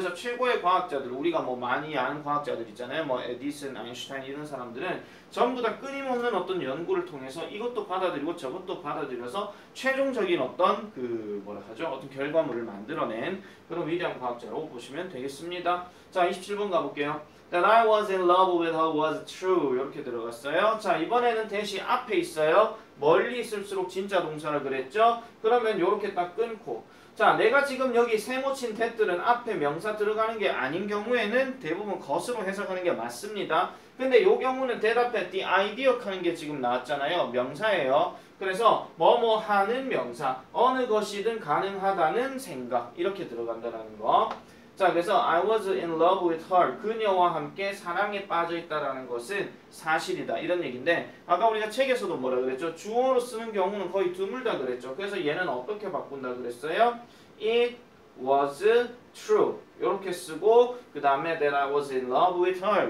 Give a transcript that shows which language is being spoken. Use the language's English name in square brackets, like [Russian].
[Korean] 그래서 최고의 과학자들, 우리가 뭐 많이 아는 과학자들 있잖아요. 뭐 에디슨, 아인슈타인 이런 사람들은 전부 다 끊임없는 어떤 연구를 통해서 이것도 받아들이고 저것도 받아들여서 최종적인 어떤 그 뭐라 하죠? 어떤 결과물을 만들어낸 그런 위대한 과학자라고 보시면 되겠습니다. 자, 27번 가볼게요. [English] That I was in love with her was true. [Korean] 이렇게 들어갔어요. 자, 이번에는 대시 앞에 있어요. 멀리 있을수록 진짜 동사라 그랬죠? 그러면 이렇게 딱 끊고. 자, 내가 지금 여기 세모친 that들은 앞에 명사 들어가는 게 아닌 경우에는 대부분 것으로 해석하는 게 맞습니다. 근데 요 경우는 대답했 the idea 하는 게 지금 나왔잖아요. 명사예요. 그래서 뭐뭐 하는 명사, 어느 것이든 가능하다는 생각 이렇게 들어간다는 거. 자, 그래서 [English] I was in love with her. [Korean] 그녀와 함께 사랑에 빠져 있다라는 것은 사실이다. 이런 얘기인데 아까 우리가 책에서도 뭐라 그랬죠? 주어로 쓰는 경우는 거의 드물다 그랬죠. 그래서 얘는 어떻게 바꾼다 그랬어요? [English] It was true. [Korean] 이렇게 쓰고 그다음에 [English] that I was in love with her.